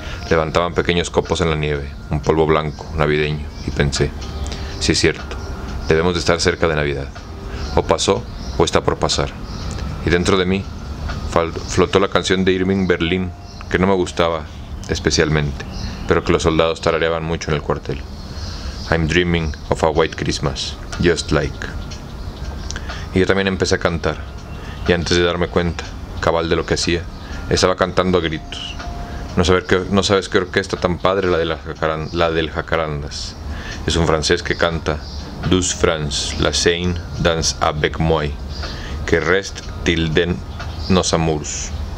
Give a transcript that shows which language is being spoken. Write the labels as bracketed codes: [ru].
[es] Levantaban pequeños copos en la nieve, un polvo blanco, navideño, y pensé, sí es cierto, debemos de estar cerca de Navidad. O pasó, o está por pasar. Y dentro de mí, flotó la canción de Irving Berlin, que no me gustaba especialmente, pero que los soldados tarareaban mucho en el cuartel. [en] I'm dreaming of a white Christmas, just like... [es] Y yo también empecé a cantar, y antes de darme cuenta, cabal de lo que hacía, estaba cantando a gritos. No sabes qué orquesta tan padre la del Jacarandas. Es un francés que canta [fr] Douce France, la Seine danse avec moi, que reste til den nos amours.